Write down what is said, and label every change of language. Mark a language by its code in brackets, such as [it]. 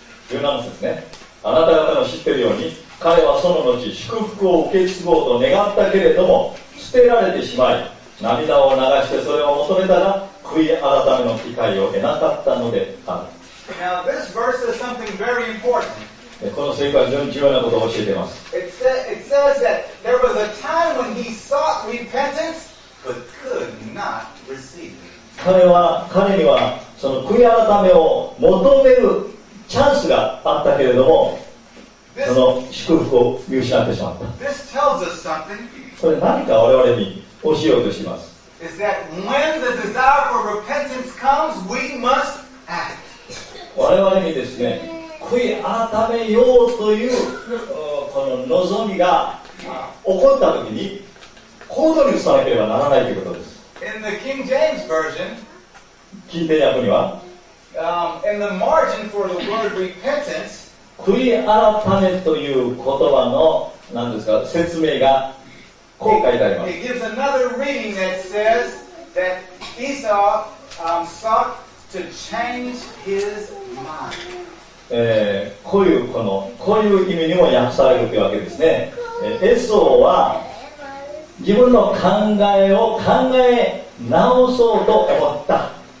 [ja] 17節ね。あなた方の知っているように、彼はその後祝福を受け継ごうと願ったけれども捨てられてしまい、涙を流してそれを求めたら悔い改めの機会を得なかったのである。 [en] Now, this verse is something very important. [ja] この聖句は非常に重要なことを教えています。 [en] It says that there was a time when he sought repentance but could not receive. [ja] 彼にはその悔い改めを求めるチャンスがあったけれども、その祝福を見失ってしまった。 [en] This tells us something. [ja] これ何か我々に教えようとします。 [en] Is that when the desire for repentance comes, we must act. [ja] 我々にですね、悔い改めようというこの望みが起こったときに、行動に移さなければならないということです。 [en] In the King James Version, [ja] 金典訳には、 [en] In the margin for the word repentance, [ja] 悔い改めという言葉の何ですか説明がこう書いてあります。 [en] It gives another reading that says that Esau、sought to change his mind、 [ja] こういうこのこういう意味にも訳されるというわけですね。エソーは自分の考えを考え直そうと思った。